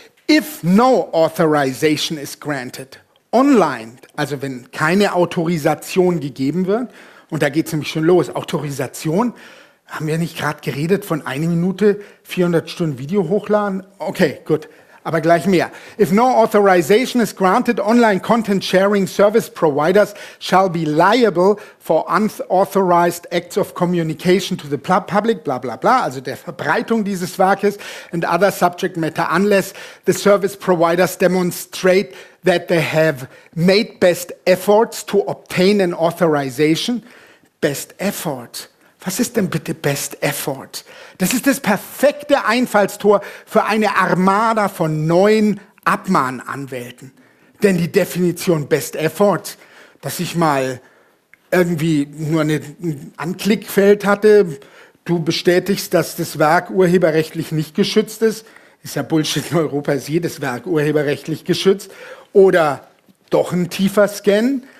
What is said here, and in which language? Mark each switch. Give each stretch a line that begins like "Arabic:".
English: If no authorization is granted online,
German: also wenn keine Autorisation gegeben wird, und da geht es nämlich schon los, Autorisation, haben wir nicht gerade geredet von einer Minute 400 Stunden Video hochladen? Okay, gut, aber gleich mehr.
English: If no authorization is granted, online content sharing service providers shall be liable for unauthorized acts of communication to the public, bla bla bla,
German: also der Verbreitung dieses Werkes,
English: and other subject matter unless the service providers demonstrate that they have made best efforts to obtain an authorization.
German: Best effort. Was ist denn bitte best effort? Das ist das perfekte Einfallstor für eine Armada von neuen Abmahnanwälten. Denn die Definition best effort, dass ich mal irgendwie nur ein Anklickfeld hatte, du bestätigst, dass das Werk urheberrechtlich nicht geschützt ist, ist ja Bullshit, in Europa ist jedes Werk urheberrechtlich geschützt, oder doch ein tiefer Scan.